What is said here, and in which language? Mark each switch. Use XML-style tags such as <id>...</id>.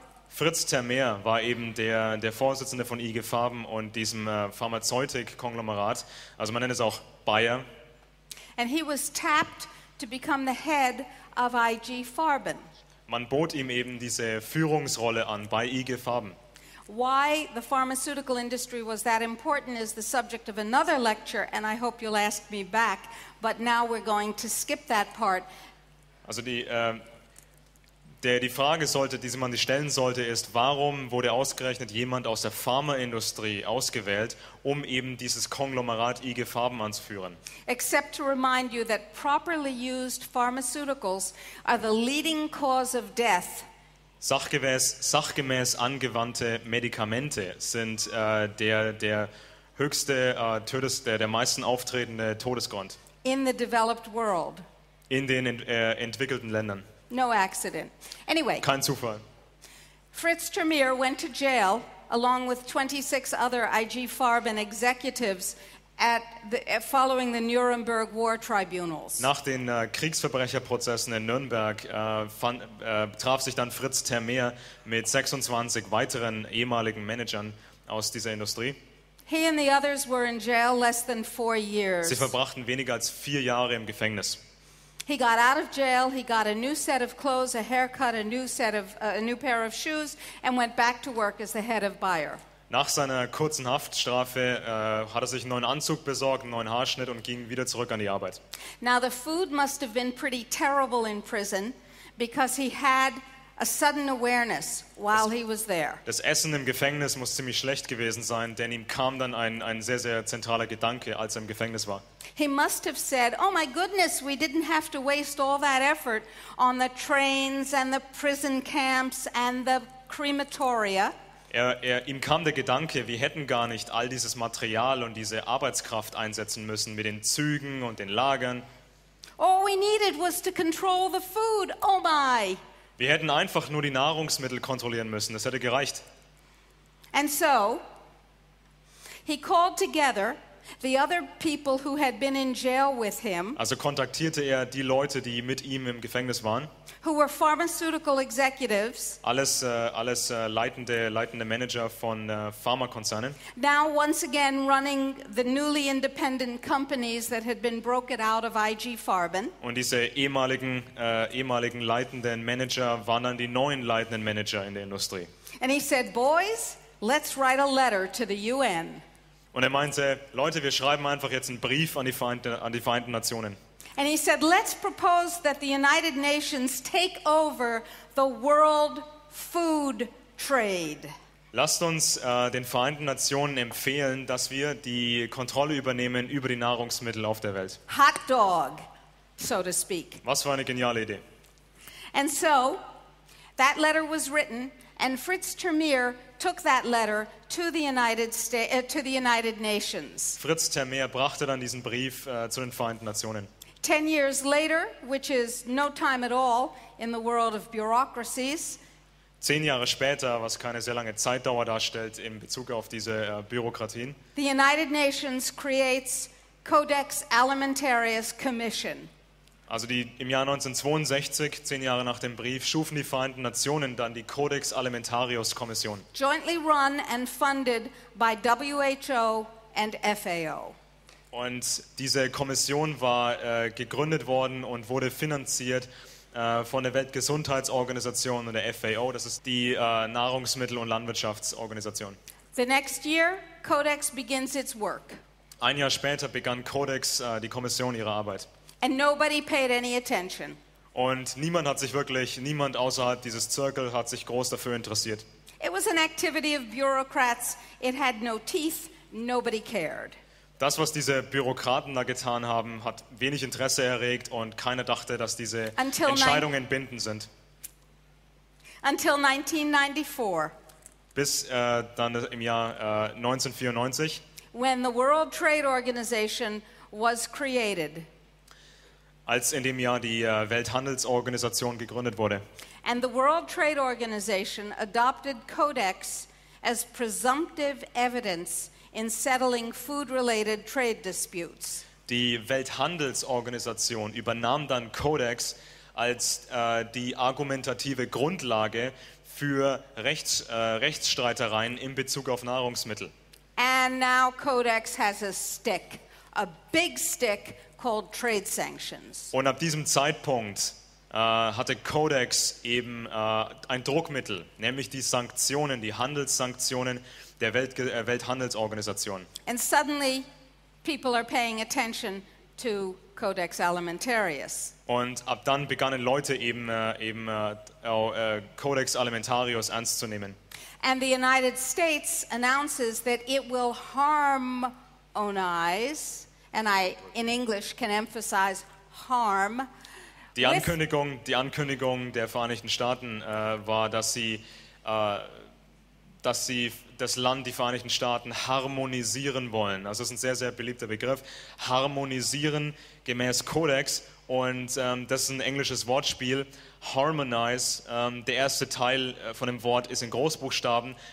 <de>Fritz Termeer war eben der Vorsitzende von IG Farben und diesem Pharmazeutik-Konglomerat. Also man nennt es auch Bayer.</de> <en>And he was tapped to become the head of IG Farben.</en> <de>Man bot ihm eben diese Führungsrolle an bei IG Farben.</de> <en>Why the pharmaceutical industry was that important is the subject of another lecture, and I hope you'll ask me back. But now we're going to skip that part.</en> <de>Also die Frage sollte, die man sich stellen sollte, ist, warum wurde ausgerechnet jemand aus der Pharmaindustrie ausgewählt, um eben dieses Konglomerat IG Farben anzuführen?</de> <en>Except to remind you that properly used pharmaceuticals are the leading cause of death.</en> <de>Sachgemäß angewandte Medikamente sind der meisten auftretende Todesgrund.</de> <en>In the developed world.</en> <de>In den entwickelten Ländern.</de> <en>No accident. Anyway.</en> <de>Kein Zufall.</de> <en>Fritz Termeer went to jail along with 26 other IG Farben executives following the Nuremberg War Tribunals.</en> <de>Nach den Kriegsverbrecherprozessen in Nürnberg traf sich dann Fritz Termeer mit 26 weiteren ehemaligen Managern aus dieser Industrie.</de> <en>He and the others were in jail less than 4 years.</en> <de>Sie verbrachten weniger als 4 Jahre im Gefängnis.</de> <en>He got out of jail, he got a new set of clothes, a haircut, a new pair of shoes and went back to work as the head of Bayer.</en> <de>Nach seiner kurzen Haftstrafe hat er sich einen neuen Anzug besorgt, einen neuen Haarschnitt und ging wieder zurück an die Arbeit.</de> <en>Now the food must have been pretty terrible in prison because he had a sudden awareness while he was there.</en> <de>Das Essen im Gefängnis muss ziemlich schlecht gewesen sein, denn ihm kam dann ein sehr sehr zentraler Gedanke, als er im Gefängnis war.</de> <en>He must have said, "Oh my goodness, we didn't have to waste all that effort on the trains and the prison camps and the crematoria."</en> <de>Ihm kam der Gedanke, wir hätten gar nicht all dieses Material und diese Arbeitskraft einsetzen müssen mit den Zügen und den Lagern.</de> <en>All we needed was to control the food. Oh my.</en> <de>Wir hätten einfach nur die Nahrungsmittel kontrollieren müssen, das hätte gereicht.</de> <en>And so he called together the other people who had been in jail with him.</en> <de>Also kontaktierte er die Leute, die mit ihm im Gefängnis waren.</de> <en>Who were pharmaceutical executives?</en> <de>Alles leitende Manager von Pharmakonzernen.</de> <en>Now once again running the newly independent companies that had been broken out of IG Farben.</en> <de>Und diese ehemaligen leitenden Manager waren dann die neuen leitenden Manager in der Industrie.</de> <en>And he said, "Boys, let's write a letter to the UN."</en> <de>Und er meinte, Leute, wir schreiben einfach jetzt einen Brief an die Vereinten Nationen.</de> <en>And he said, "Let's propose that the United Nations take over the world food trade."</en> <de>Lasst uns den Vereinten Nationen empfehlen, dass wir die Kontrolle übernehmen über die Nahrungsmittel auf der Welt.</de> <en>Hot dog, so to speak.</en> <de>Was für eine geniale Idee.</de> <en>And so that letter was written, and Fritz Termeer took that letter to the United Nations.</en> <de>Fritz Termeer brachte dann diesen Brief zu den Vereinten Nationen.</de> <en>10 years later, which is no time at all in the world of bureaucracies.</en> <de>10 Jahre später, was keine sehr lange Zeitdauer darstellt in Bezug auf diese Bürokratien.</de> <en>The United Nations creates Codex Alimentarius Commission.</en> <de>Also im Jahr 1962, 10 Jahre nach dem Brief, schufen die Vereinten Nationen dann die Codex Alimentarius Kommission.</de> <en>Jointly run and funded by WHO and FAO.</en> <de>Und diese Kommission war gegründet worden und wurde finanziert von der Weltgesundheitsorganisation und der FAO, das ist die Nahrungsmittel- und Landwirtschaftsorganisation.</de> <en>The next year, Codex begins its work.</en> <de>Ein Jahr später begann Codex, die Kommission, ihre Arbeit.</de> <en>And nobody paid any attention.</en> <de>Und niemand außerhalb dieses Zirkel hat sich groß dafür interessiert.</de> <en>It was an activity of bureaucrats. It had no teeth. Nobody cared.</en> <de>Das, was diese Bürokraten da getan haben, hat wenig Interesse erregt und keiner dachte, dass diese Entscheidungen bindend sind.</de> <en>Until 1994.</en> <de>Bis dann im Jahr 1994.</de> <en>When the World Trade Organization was created.</en> <de>Als in dem Jahr die Welthandelsorganisation gegründet wurde.</de> <en>And the World Trade Organization adopted Codex as presumptive evidence in settling food-related trade disputes.</en> <de>Die Welthandelsorganisation übernahm dann Codex als die argumentative Grundlage für Rechtsstreitereien in Bezug auf Nahrungsmittel.</de> <en>And now Codex has a stick, a big stick called trade sanctions.</en> <de>Und ab diesem Zeitpunkt hatte Codex eben ein Druckmittel, nämlich die Sanktionen, die Handelssanktionen der Welthandelsorganisation.</de> <en>And suddenly people are paying attention to Codex Alimentarius.</en> <de>Und ab dann begannen Leute eben Codex Alimentarius ernst zu nehmen.</de> <en>And the United States announces that it will harmonize, and I in English can emphasize harm.</en> <de>Die Ankündigung der Vereinigten Staaten war, dass sie das Land, die Vereinigten Staaten, harmonisieren wollen. Also das ist ein sehr, sehr beliebter Begriff. Harmonisieren gemäß Codex. Und das ist ein englisches Wortspiel. Harmonize, der erste Teil von dem Wort ist in Großbuchstaben.</de>